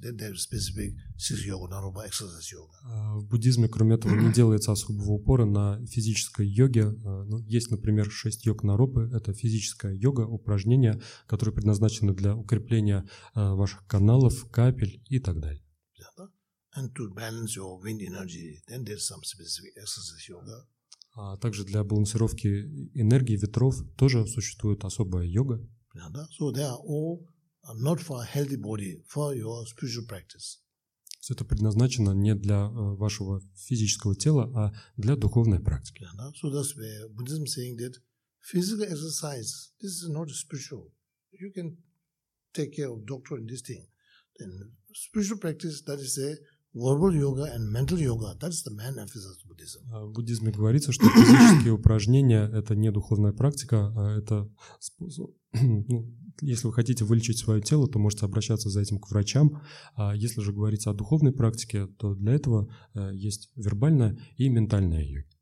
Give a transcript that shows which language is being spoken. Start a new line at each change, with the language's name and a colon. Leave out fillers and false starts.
English: Then there's specific sixth yoga, Naropa exercise yoga.
Russian: В буддизме, кроме этого, не делается особого упора на физической йоге. Ну, есть, например, шесть йог Наропы. Это физическая йога, упражнения, которые предназначены для укрепления ваших каналов, капель и так далее.
English: And to balance your wind energy, then there's some specific exercise yoga.
Russian: А также для балансировки энергии ветров тоже существует особая йога.
English: So they are all not for a healthy body, for your spiritual practice.
Russian: Все это предназначено не для вашего физического тела, а для духовной практики.
English: Yeah, no? So that's where Buddhism saying that physical exercise, this is not spiritual. You can take care of doctor and this thing. Then spiritual practice, that is a verbal yoga and mental yoga, that's the main emphasis of Buddhism.
Russian: В буддизме говорится, что физические упражнения – это не духовная практика, а это способ. Если вы хотите вылечить свое тело, то можете обращаться за этим к врачам. А если же говорить о духовной практике, то для этого есть вербальная и ментальная йога.